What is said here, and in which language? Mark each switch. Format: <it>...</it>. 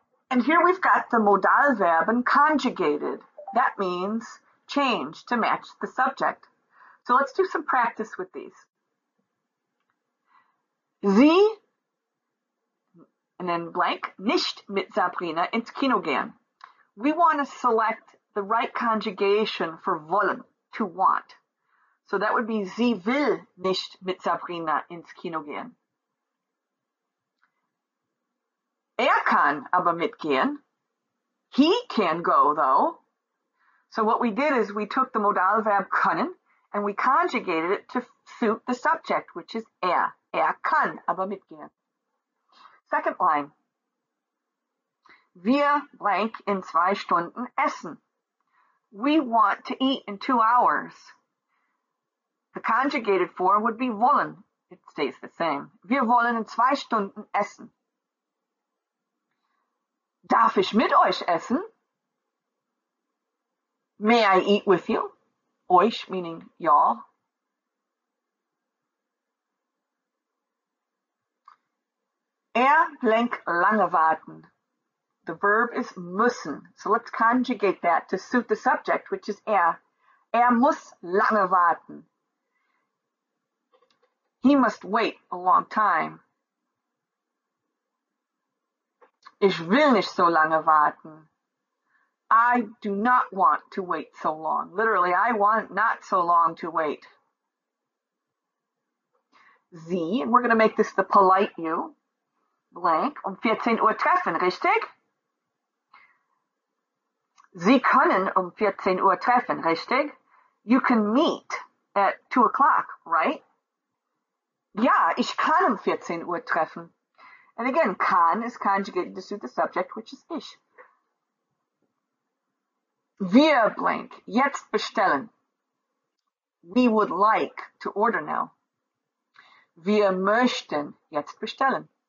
<en>And here we've got the modal verb and conjugated. That means change to match the subject. So let's do some practice with these.</en> <de>Sie,</de> <en>and then blank,</en> <de>nicht mit Sabrina ins Kino gehen.</de> <en>We want to select the right conjugation for wollen, to want. So that would be,</en> <de>sie will nicht mit Sabrina ins Kino gehen. Kann aber mitgehen.</de> <en>He can go though. So what we did is we took the modal verb können and we conjugated it to suit the subject, which is</en> <de>kann aber mitgehen.</de> <en>Second line.</en> <de>Wir blank in 2 Stunden essen.</de> <en>We want to eat in 2 hours. The conjugated form would be wollen. It stays the same.</en> <de>Wir wollen in 2 Stunden essen. Darf ich mit euch essen?</de> <en>May I eat with you? Euch meaning y'all.</en> <de>Blank lange warten.</de> <en>The verb is müssen. So let's conjugate that to suit the subject, which is</en> <de>muss lange warten.</de> <en>He must wait a long time.</en> <de>Ich will nicht so lange warten.</de> <en>I do not want to wait so long. Literally, I want not so long to wait. Sie, and we're going to make this the polite you, blank,</en> <de>14 Uhr treffen, richtig? Sie können 14 Uhr treffen, richtig?</de> <en>You can meet at 2 o'clock, right?</en> <de>Ja, ich kann 14 Uhr treffen.</de> <en>And again, kann is conjugated to suit the subject, which is ich.</en> <de>Wir blank, jetzt bestellen.</de> <en>We would like to order now.</en> <de>Wir möchten jetzt bestellen.</de>